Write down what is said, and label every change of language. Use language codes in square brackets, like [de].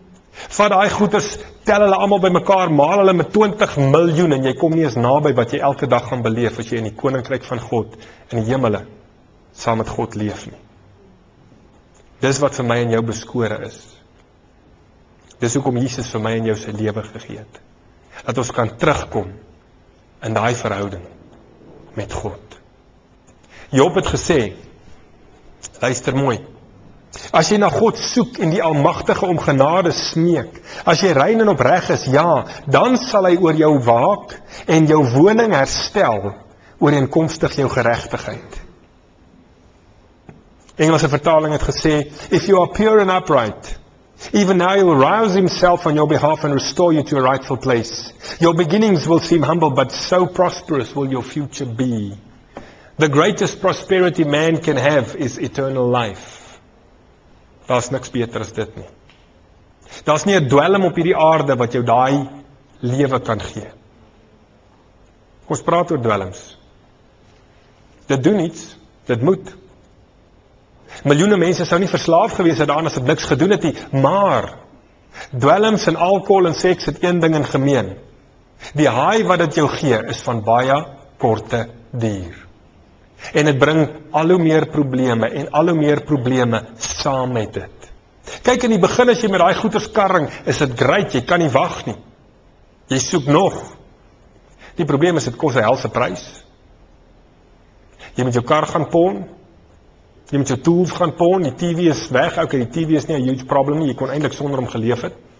[af] Vat die goeders, tel hulle allemaal by mekaar, maal hulle met 20 miljoen, en jy kom nie eens nabij wat jy elke dag gaan beleef, as jy in die koninkryk van God, in die hemele, saam met God leef nie. Dis wat vir my en jou beskore is. Dis hoekom Jesus vir my en jou sy lewe gegee het. Dat ons kan terugkom in daai verhouding met God. Job het gesê, luister mooi, As jy na God soek en die Almagtige om genade smeek, as jy rein en opreg is, ja, dan sal hy oor jou waak en jou woning herstel, ooreenkomstig jou geregtigheid. Engelse vertaling het gesê, [en] if you are pure and upright, even now he will rouse himself on your behalf and restore you to a rightful place. Your beginnings will seem humble, but so prosperous will your future be. The greatest prosperity man can have is eternal life. [af] Daar is niks beter as dit nie. Daar is nie 'n dwelm op hierdie aarde wat jou daai lewe kan gee. Ons praat oor dwelms. Dit doen iets, dit moet. Miljoene mense sou nie verslaaf gewees het daaraan as dit niks gedoen het nie, maar dwelms en alkohol en seks het een ding in gemeen. Die haai wat dit jou gee is van baie korte duur. En het bring al hoe meer probleme en al hoe meer probleme saam met dit. Kyk, in die begin as jy met die goeders karring, is dit great, jy kan nie wag nie. Jy soek nog. Die probleem is, dit kos 'n helse prys. Jy moet jou kar gaan pon, jy moet jou tools gaan pon, die TV is weg, ok, die TV is nie [en] a huge problem [af] nie, jy kon eindelijk sonder om geleef het.